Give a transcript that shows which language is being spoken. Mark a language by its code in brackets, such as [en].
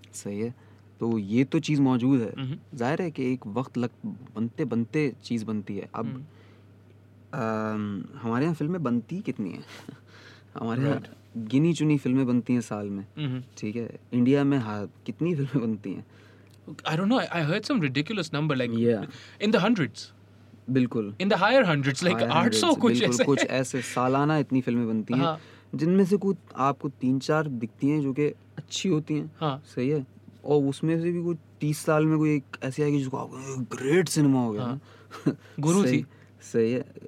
[hi] सही है. तो ये तो चीज़ मौजूद है. जाहिर है कि एक वक्त लग बनते बनते चीज़ बनती है. अब हमारे यहाँ फिल्में बनती कितनी हैं? हमारे यहाँ गिनी चुनी फिल्में बनती हैं साल में. ठीक है, इंडिया में कितनी फिल्में बनती हैं? [en] I don't know. I heard some ridiculous number like in the hundreds. [hi] बिल्कुल. [en] In the higher hundreds, like 800 [hi] कुछ ऐसे सालाना इतनी फिल्में बनती हैं, जिनमें से कुछ आपको 3-4 दिखती हैं जो कि अच्छी होती हैं. सही है. और उसमें से भी कोई 30 साल में कोई एक ऐसी आएगी जिसको आप ग्रेट सिनेमा हो गया. हाँ. गुरु सही, थी सही है.